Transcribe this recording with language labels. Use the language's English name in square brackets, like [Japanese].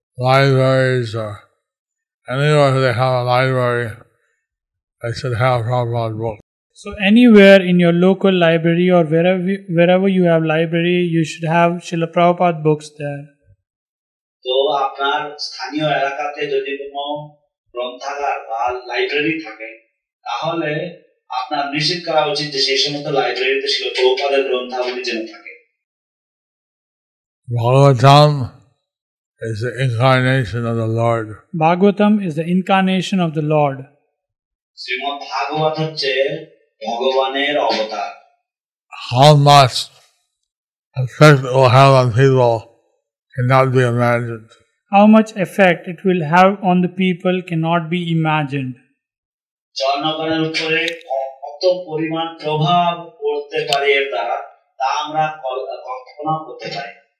[English] Libraries or anywhere they have a library, they should have Prabhupada's book. So anywhere in your local library or wherever you have library, you should have Srila Prabhupada books there. [Bangla] তো আপনার স্থানীয় এলাকাতে যদি কোনো গ্রন্থাগার বা library থাকে তাহলে আপনার নিশ্চিত করা উচিত যে সেই সমস্ত লাইব্রেরিতে ছিল প্রভুপাদের গ্রন্থাবলী যেন থাকে. [English] Bhagavatam is the incarnation of the Lord. Bhagavatam is the incarnation of the Lord. [Bangla] Srimad-Bhagavatam হচ্ছে ভগবানের অবতার. [English] How much effect it will have on people cannot be imagined. How much effect it will have on the people cannot be imagined. [Bangla] জনগণের উপরে কত পরিমাণ প্রভাব পড়তে পারে এর দ্বারা তা আমরা কল্পনা করতে পারি.